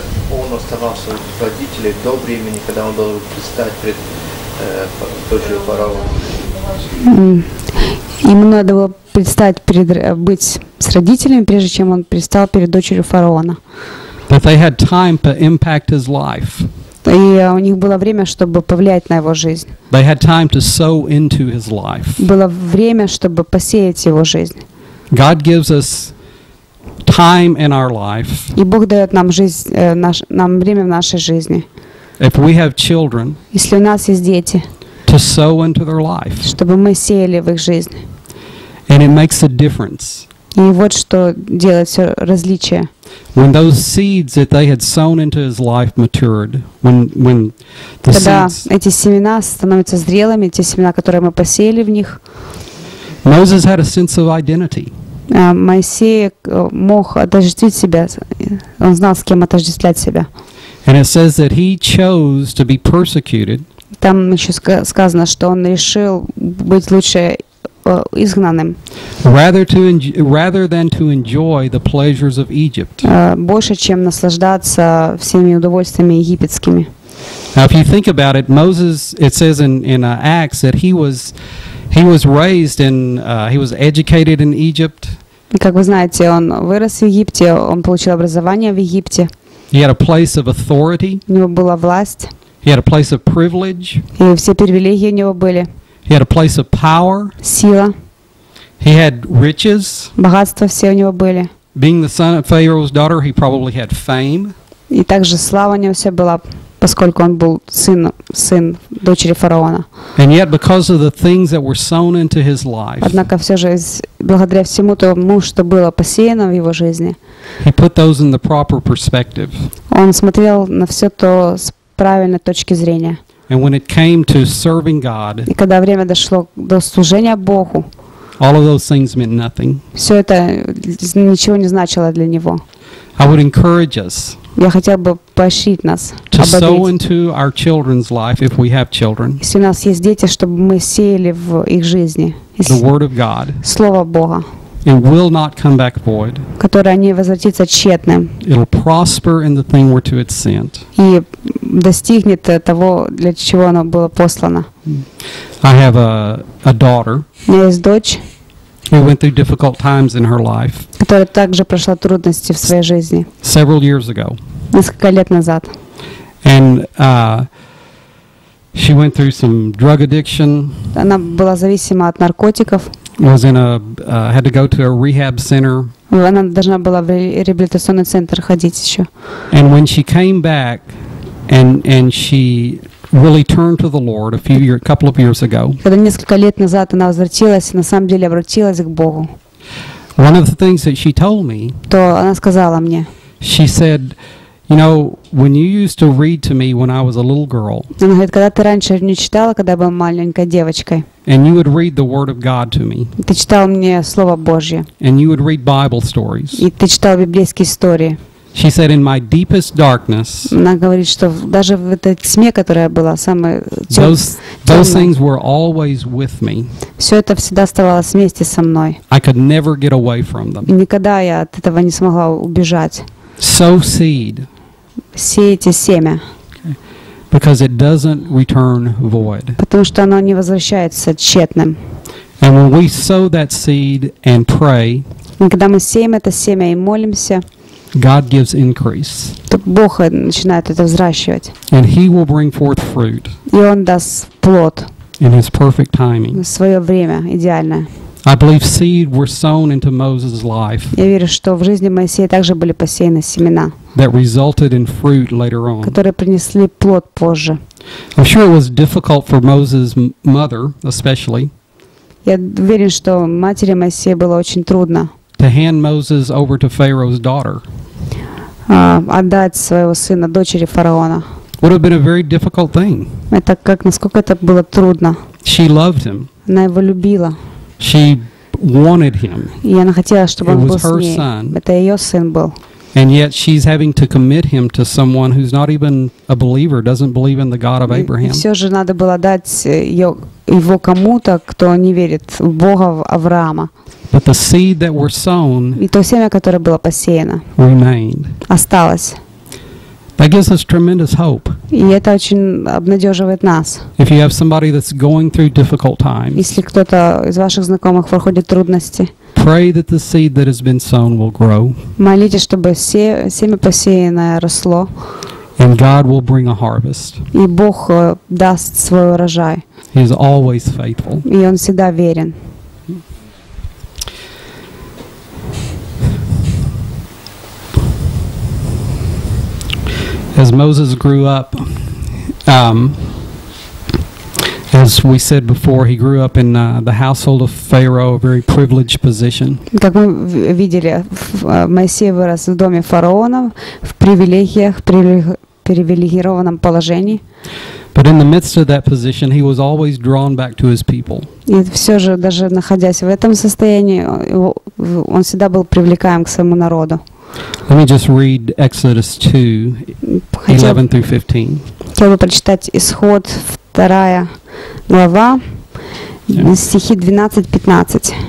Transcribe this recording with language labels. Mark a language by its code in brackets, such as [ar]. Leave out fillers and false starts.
[ru] Он оставался в родителе до времени, когда он должен предстать перед дочерью фараона. Ему надо было предстать перед быть с родителями, прежде чем он предстал перед дочерью фараона. [en] That they had time to impact his life. [ru] И у них было время, чтобы повлиять на его жизнь. [en] They had time to sow into his life. [ru] Было время, чтобы посеять его жизнь. [en] God gives us time in our life. [ru] И Бог дает нам жизнь, нам время в нашей жизни. [en] If we have children. [ru] Если у нас есть дети. [en] To sow into their life. [ru] Чтобы мы сеяли в их жизнь. [en] And it makes a difference. [ru] И вот что делает все различие. [en] When those seeds that they had sown into his life matured, when the [ru] когда [en] seeds, [ru] эти семена становятся зрелыми, те семена, которые мы посеяли в них, [en] Moses had a sense of identity. [ru] Моисей мог отождествить себя, он знал, с кем отождествлять себя. [en] And it says that he chose to be persecuted. [ru] Там еще сказано, что он решил быть лучше изгнанным. [en] Rather than to enjoy the pleasures of Egypt. [ru] Больше, чем наслаждаться всеми удовольствиями египетскими. [en] Now, if you think about it, Moses, it says in Acts that he was raised in he was educated in Egypt. [ru] Как вы знаете, он вырос в Египте, он получил образование в Египте. [en] He had a place of authority. [ru] У него была власть. [en] He had a place of privilege. [ru] И все привилегии у него были. [en] He had a place of power. [ru] Сила. [en] He had riches. [ru] Богатства все у него были. [en] Being the son of Pharaoh's daughter, he probably had fame. [ru] И также слава у него вся была, поскольку он был сын дочери фараона. [en] And yet, because of the things that were sown into his life. [ru] Однако все же благодаря всему тому, что было посеяно в его жизни. [en] He put those in the proper perspective. [ru] Он смотрел на все то с правильной точки зрения. [en] And when it came to serving God. [ru] И когда время дошло до служения Богу. [en] All of those things meant nothing. [ru] Все это ничего не значило для него. [en] I would encourage us. [ru] Я хотел бы поощрить нас. [en] To sow into our children's life if we have children. [ru] Если у нас есть дети, чтобы мы сеяли в их жизни. [en] The word of God. [ru] Слово Бога. [en] It will not come back void. [ru] Которое не возвратится тщетным. [en] It'll prosper in the thing where to it's sent. [ru] И достигнет того, для чего оно было послано. [en] I have a daughter. [ru] У меня есть дочь. [en] Who went through difficult times in her life. [ru] Которая также прошла трудности в своей жизни. [en] Several years ago. [ru] Несколько лет назад. [en] And she went through some drug addiction. [ru] Она была зависима от наркотиков. [en] Was in a had to go to a rehab center. [ru] Она должна была в реабилитационный центр ходить еще. [en] And when she came back, and she really turned to the Lord a couple of years ago. [ru] Когда несколько лет назад она возвратилась, на самом деле обратилась к Богу. [en] One of the things that she told me. [ru] То она сказала мне. [en] She said, "You know, when you used to read to me when I was a little girl." [ru] Она говорит, когда ты раньше не читала, когда была маленькой девочкой. [en] And you would read the word of God to me. [ru] Ты читал мне слово Божье. [en] And you would read Bible stories. [ru] И ты читал библейские истории. [en] She said, "In my deepest darkness." [ru] Она говорит, что даже в этой тьме, которая была самая темная. [en] Those things were always with me. [ru] Все это всегда оставалось вместе со мной. [en] I could never get away from them. [ru] И никогда я от этого не смогла убежать. [en] Sow seed. [ru] Сейте семя. [en] Because it doesn't return void. [ru] Потому что оно не возвращается тщетным. [en] And when we sow that seed and pray. [ru] И когда мы сеем это семя и молимся. [en] God gives increase. [ru] То Бог начинает это взращивать. [en] And He will bring forth fruit. [ru] И Он даст плод. [en] In His perfect timing. [ru] В свое время идеальное. [en] I believe seed were sown into Moses' life. [ru] Я верю, что в жизни Моисея также были посеяны семена. [en] That resulted in fruit later on. [ru] Которые принесли плод позже. [en] I'm sure it was difficult for Moses' mother, especially. [ru] Я уверен, что матери Моисея было очень трудно. [en] To hand Moses over to Pharaoh's daughter. [ru] Отдать своего сына дочери фараона. [en] Would have been a very difficult thing. [ru] Это как насколько это было трудно. [en] She loved him. [ru] Она его любила. [en] She wanted him. [ru] И она хотела, чтобы он был с ней. [en] It was her son. [ru] Это ее сын был. [en] And yet she's having to commit him to someone who's not even a believer, doesn't believe in the God of Abraham. [ru] Все же надо было дать его кому-то, кто не верит в Бога Авраама. [en] But the seed that were sown. [ru] И то семя, которое было посеяно. [en] Remained. [ru] Осталось. [en] That gives us tremendous hope. [ru] И это очень обнадеживает нас. [en] If you have somebody that's going through difficult times. [ru] Если кто-то из ваших знакомых проходит трудности. [en] Pray that the seed that has been sown will grow. [ru] Молитесь, чтобы семя посеянное росло. [en] And God will bring a harvest. [ru] И Бог даст свой урожай. [en] He is always faithful. [ru] И Он всегда верен. [en] As Moses grew up, as we said before, he grew up in the household of Pharaoh, a very privileged position. [ru] Как мы видели, Моисей вырос в доме фараона, в привилегиях, привилегированном положении. [en] But in the midst of that position, he was always drawn back to his people. [ru] И все же, даже находясь в этом состоянии, он всегда был привлекаем к своему народу. [en] Let me just read Exodus 2, 11 through 15. [ru] Хотел бы прочитать Исход, 2 глава, стихи 12-15.